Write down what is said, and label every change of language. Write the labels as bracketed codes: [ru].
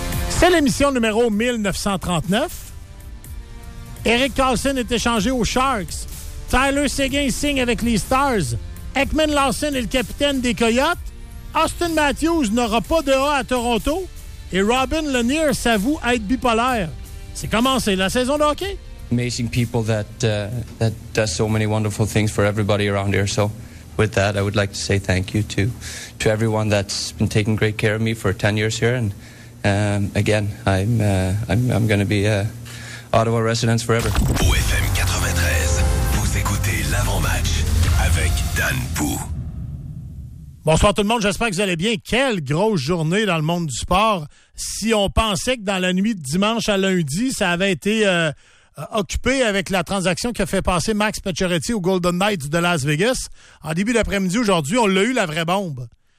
[fr] C'est l'émission numéro 1939. Eric Carlson est échangé aux Sharks. Tyler Seguin signe avec les Stars. Ekman Larson est le capitaine des Coyotes. Austin Matthews n'aura pas de A à Toronto. Et Robin Lanier s'avoue être bipolaire. C'est commencé la saison de hockey. [en] Amazing people that does so many wonderful things for everybody around here. So with that, I would like to say thank you to everyone that's been taking great care of me for 10 years here. And again, I'm going to be Ottawa residents forever. [fr] OFM 93, vous écoutez l'avant-match avec Dan Pou. Bonsoir tout le monde, j'espère que vous allez bien. Quelle grosse journée dans le monde du sport. Si on pensait que dans la nuit de dimanche à lundi, ça avait été occupé avec la transaction qui a fait passer Max Pacioretty au Golden Knights de Las Vegas, en début d'après-midi aujourd'hui, on l'a eu la vraie bombe.